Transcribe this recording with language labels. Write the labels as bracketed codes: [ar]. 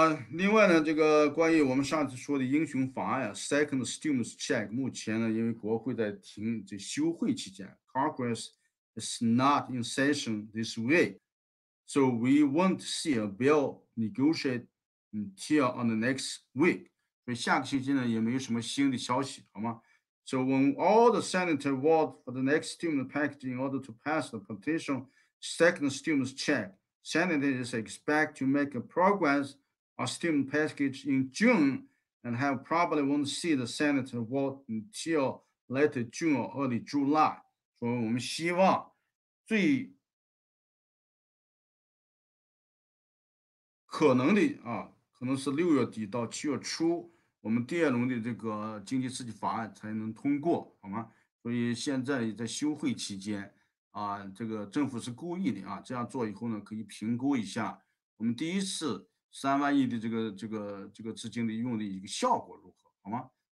[zh] 另外呢，这个关于我们上次说的英雄法案 ，Second Stimulus Check， 目前呢，因为国会在停这休会期间 ， [en] Congress is not in session this week， So we won't see a bill negotiate until on the next week. [zh] 所以下个星期呢也没有什么新的消息，好吗？ [en] So when all the senators vote for the next stimulus package in order to pass the petition second stimulus check, senators expect to make a progress on stimulus package in June and have probably won't see the senator vote until late June or early July. [zh] 所以我们希望最可能的啊，可能是六月底到七月初，我们第二轮的这个经济刺激法案才能通过，好吗？所以现在在休会期间啊，这个政府是故意的啊，这样做以后呢，可以评估一下我们第一次三万亿的这个资金的用的一个效果如何，好吗？